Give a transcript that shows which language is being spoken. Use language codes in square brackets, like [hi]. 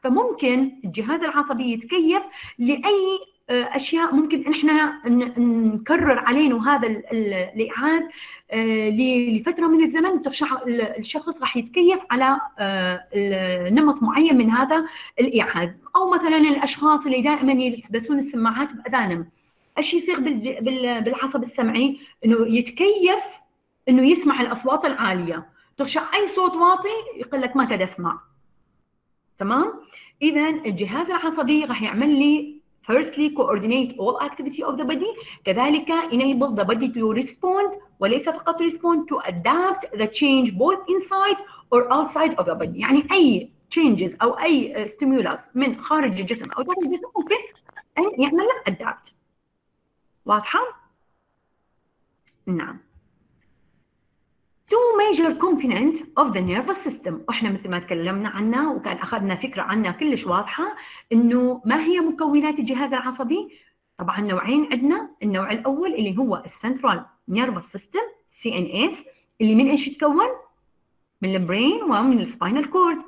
[ar] فممكن الجهاز العصبي يتكيف لاي اشياء ممكن احنا نكرر علينا هذا الاعاز لفتره من الزمن، الشخص راح يتكيف على نمط معين من هذا الاعاز. او مثلا الاشخاص اللي دائما يلبسون السماعات باذانهم، ايش يصير بالعصب السمعي؟ انه يتكيف انه يسمع الاصوات العاليه، تغشع اي صوت واطي يقول لك ما كده اسمع. تمام؟ اذا الجهاز العصبي راح يعمل لي [en] firstly coordinate all activity of the body، [ar] كذلك [en] enable the body to respond [ar] وليس فقط [en] respond to adapt the change both inside or outside of the body. [ar] يعني اي changes او اي stimulus من خارج الجسم او داخل الجسم ممكن ان يعمل له adapt. واضحه؟ نعم. [en] Two major component of the nervous system. [ar] احنا مثل ما تكلمنا عنها وكان اخذنا فكرة عنها كلش واضحة، انه ما هي مكونات الجهاز العصبي؟ طبعا نوعين عندنا، النوع الاول اللي هو central nervous system CNS، اللي من ايش يتكون؟ من البرين ومن spinal cord.